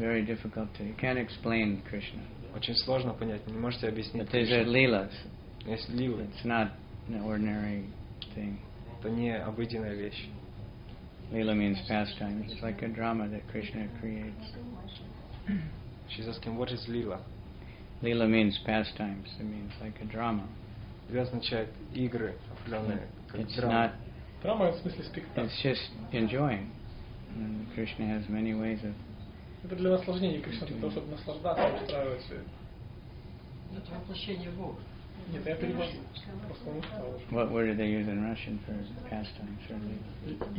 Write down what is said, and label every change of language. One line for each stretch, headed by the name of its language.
English: It's very difficult to... You can't explain Krishna.
Russian: Очень сложно понять. Не можете объяснить
English: Кришну. But these are lilas. It's lila. It's not an ordinary thing.
Russian: Это не обыденная вещь.
English: Lila means pastime. It's like a drama that Krishna creates. She's asking, what is lila? Lila means pastimes. It means like a drama.
Russian: Это означает игры определенные, как драма. Драма в смысле спектакль. It's just enjoying. And Krishna has many ways of. Это для наслаждения Кришна, для того, чтобы наслаждаться, устраивать все. Это воплощение Бога. Нет, я перевожу.
English: What word do they use in Russian for pastimes?